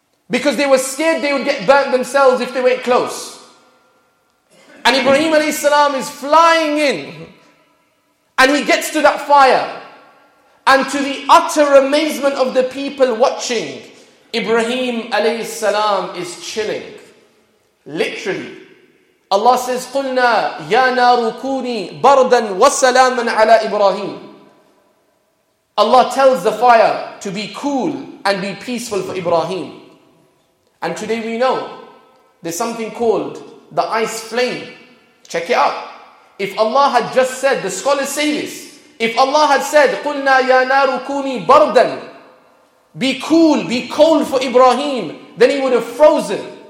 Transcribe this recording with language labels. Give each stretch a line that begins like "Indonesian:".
English: Because they were scared they would get burnt themselves if they went close. And Ibrahim alayhi salam is flying in. And he gets to that fire. And to the utter amazement of the people watching, Ibrahim alayhi salam is chilling. Literally. Allah says,
Arabic: قُلْنَا يَا نَارُ كُونِي بَرْدًا وَسَلَامًا عَلَىٰ إِبْرَاهِيمُ.
English: Allah tells the fire to be cool and be peaceful for Ibrahim. And today we know there's something called the ice flame. Check it out. If Allah had just said, the scholars say this, if Allah had said,
Arabic: قُلْنَا يَا نَارُ كُونِي بَرْدًا,
English: be cool, be cold for Ibrahim, then he would have frozen.